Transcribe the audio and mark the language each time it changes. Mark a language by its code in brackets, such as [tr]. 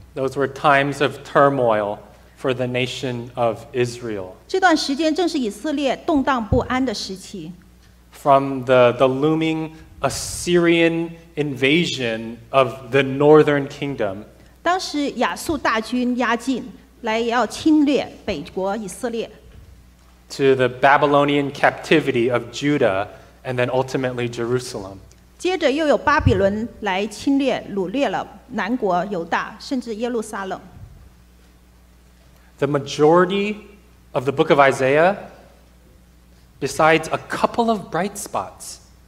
[en] Those were times of turmoil for the nation of Israel. [zh] 这段时间正是以色列动荡不安的时期。 [en] From the looming Assyrian invasion of the northern kingdom. [zh] 当时亚述大军压境，来要侵略北国以色列。 [en] To the Babylonian captivity of Judah and then ultimately Jerusalem. [zh] 接着又有巴比伦来侵略，掳掠了南国犹大，甚至耶路撒冷。 [en] The majority of the book of Isaiah, besides a couple of bright spots,